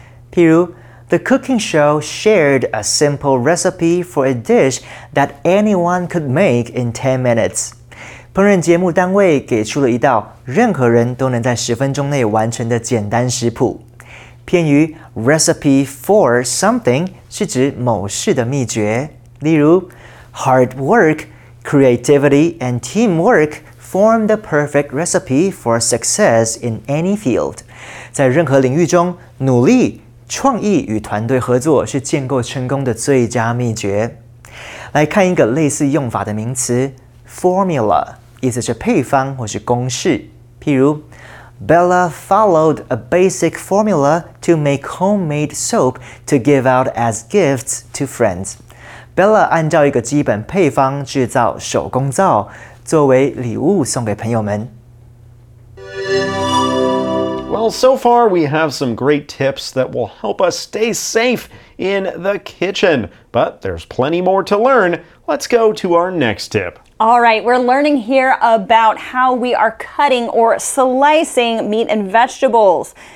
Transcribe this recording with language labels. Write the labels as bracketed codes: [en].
[en] The cooking show shared a simple recipe for a dish that anyone could make in 10 minutes. [zh] 烹饪节目单位给出了一道任何人都能在十分钟内完成的简单食谱。片语 [en] recipe for something [zh] 是指某事的秘诀。例如 [en] hard work, creativity, and teamwork form the perfect recipe for success in any field. [zh] 在任何领域中努力创意与团队合作是建构成功的最佳秘诀。来看一个类似用法的名词 formula， 意思是配方或是公式。譬如 [en] ，Bella followed a basic formula to make homemade soap to give out as gifts to friends。 [zh] Bella 按照一个基本配方制造手工皂，作为礼物送给朋友们。 [en] Well, so far we have some great tips that will help us stay safe in the kitchen, but there's plenty more to learn. Let's go to our next tip. All right, we're learning here about how we are cutting or slicing meat and vegetables.